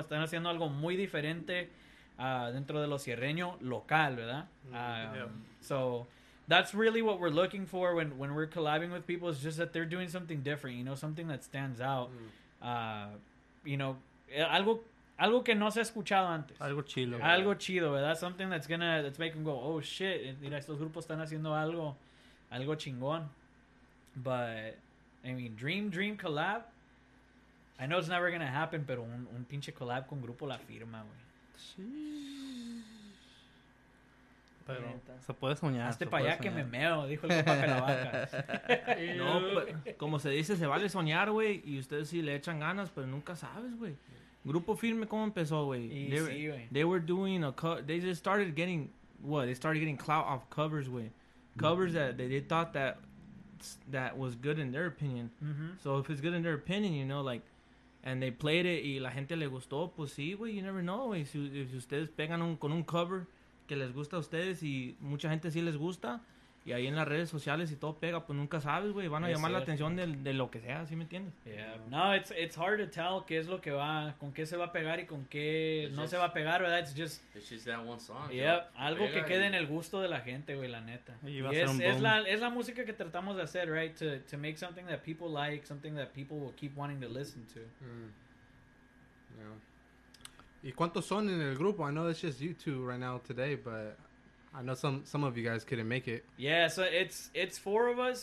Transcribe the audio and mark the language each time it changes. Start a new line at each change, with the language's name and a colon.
Spanish: Están haciendo algo muy diferente dentro de lo sierreño local, ¿verdad?
English: So that's really what we're looking for when we're collabing with people, is just that they're doing something different, you know, something that stands out. You know,
Spanish: algo que no se ha escuchado antes. Algo chido. Algo chido, ¿verdad?
English: Something that's making them go, oh, shit.
Spanish: Mira, estos grupos están haciendo algo chingón.
English: But, I mean, dream collab. I know it's never going to happen,
Spanish: pero un pinche collab con Grupo La Firma, güey. Sí. Pero se puede soñar. Hazte para allá, soñar. Que me meo, dijo el papá de la vaca. No, pero, como se dice, se vale soñar, güey. Y ustedes sí le echan ganas, pero nunca sabes, güey.
English: Grupo Firme,
Spanish: ¿cómo empezó, güey?
English: They just started getting, what? They started getting clout off covers, güey. Covers that they thought that was good in their opinion. So if it's good in their opinion, you know, like, and they played it
Spanish: y la gente le gustó, pues sí, güey,
English: you never know, güey.
Spanish: Si ustedes pegan con un cover que les gusta a ustedes y mucha gente sí les gusta, y ahí en las redes sociales y todo pega, pues nunca sabes, güey, van a llamar la atención de lo que sea, ¿sí me entiendes?
English: Yeah. No, it's hard to tell
Spanish: qué es lo que va, con qué se va a pegar y con qué se va a pegar, ¿verdad?
English: It's just that one song.
Spanish: Yeah, algo que quede en el gusto de la gente, güey, la neta. Y es la música que tratamos de hacer,
English: right? To make something that people like, something that people will keep wanting to listen to. Mm. Yeah.
Spanish: ¿Y cuántos son en el grupo?
English: I know it's just you two right now today, but I know some of you guys couldn't make it. Yeah, so it's four of us.